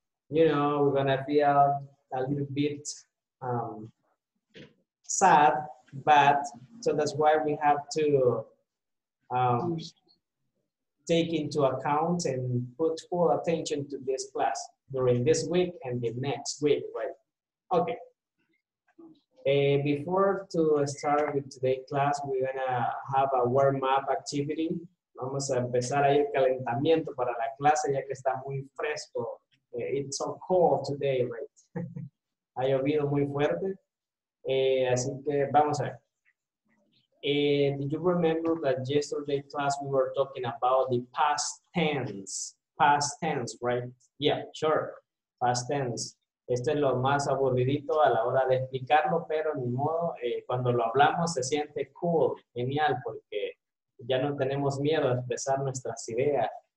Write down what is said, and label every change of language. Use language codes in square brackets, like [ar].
[en] You know, we're gonna feel a little bit sad, but so that's why we have to take into account and put full attention to this class during this week and the next week, right? Okay. Before to start with today's class, we're gonna have a warm-up activity. [es] Vamos a empezar ahí el calentamiento para la clase ya que está muy fresco. [en] It's so cold today, right? [es] Ha llovido muy fuerte. Así que vamos a ver. [en] Did you remember that yesterday class we were talking about the past tense, right? Yeah, sure, past tense. [es] Esto es lo más aburridito a la hora de explicarlo, pero ni modo, cuando lo hablamos se siente cool, genial, porque ya no tenemos miedo a expresar nuestras ideas.